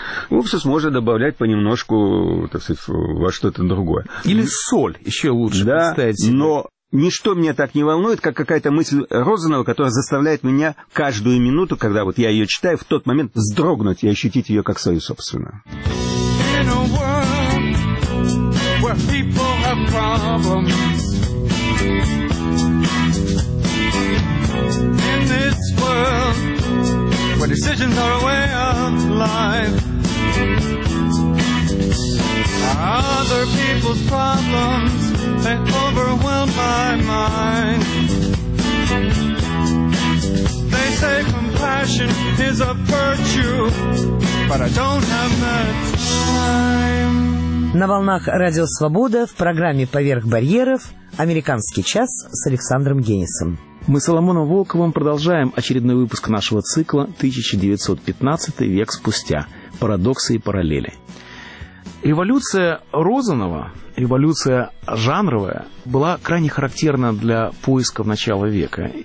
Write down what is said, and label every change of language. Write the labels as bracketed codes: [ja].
[ru] Уксус можно добавлять понемножку, так сказать, во что-то другое. Или соль еще лучше, да, представить себе. Но ничто меня так не волнует, как какая-то мысль Розанова, которая заставляет меня каждую минуту, когда вот я ее читаю, в тот момент вздрогнуть и ощутить ее как свою собственную. [en] In a world where people have problems, in this world where decisions are a way of life, other people's problems they overwhelm my mind. They say compassion is a virtue, but I don't have that. [ru] На волнах Радио Свобода в программе «Поверх барьеров» «Американский час» с Александром Генисом. Мы с Соломоном Волковым продолжаем очередной выпуск нашего цикла «1915 век спустя. Парадоксы и параллели». Революция Розанова, революция жанровая, была крайне характерна для поисков начала века.